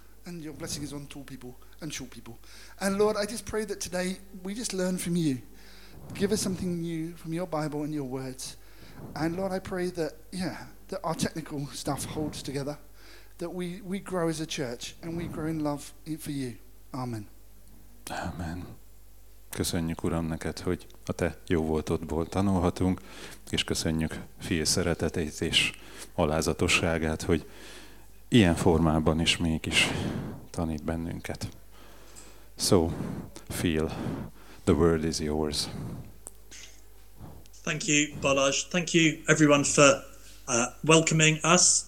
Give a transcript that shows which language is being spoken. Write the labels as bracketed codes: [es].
[en] And your blessing is on tall people and short people. And Lord, I just pray that today we just learn from you. Give us something new from your Bible and your words. And Lord, I pray that, yeah, that our technical stuff holds together, that we grow as a church and we grow in love for you. Amen. Amen. [hu] Köszönjük, Uram, neked, hogy a te jó voltodból tanulhatunk, és köszönjük Fia szeretetét és alázatosságát, hogy ilyen formában is mégis tanít bennünket. [en] So, Phil, the word is yours. Thank you, Balázs. Thank you, everyone, for welcoming us.